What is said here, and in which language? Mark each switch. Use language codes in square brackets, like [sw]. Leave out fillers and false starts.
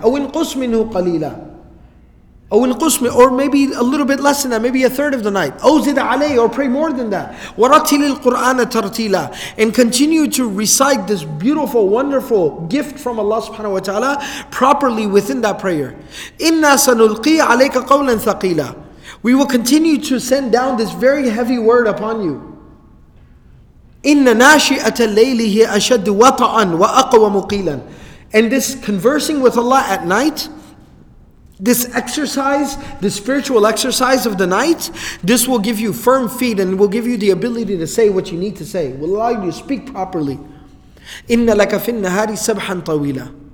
[ar] أَوْ انْقُصْ مِنْهُ قَلِيلًا. [en] Or maybe a little bit less than that, maybe a third of the night. [ar] أوزد عليه, [en] or pray more than that. [ar] ورتل القرآن ترتيلا, [en] and continue to recite this beautiful, wonderful gift from Allah subhanahu wa ta'ala properly within that prayer. [ar] إنا سنلقي عليك قولا ثقيلا. [en] We will continue to send down this very heavy word upon you. [ar] إن ناشئة الليل هي أشد وطئا وأقوى مقيلا. [en] And this conversing with Allah at night, this exercise, this spiritual exercise of the night, this will give you firm feet and will give you the ability to say what you need to say. Will allow you to speak properly. [ar] إِنَّ لَكَ فِي النَّهَارِ سَبْحًا طَوِيلًا.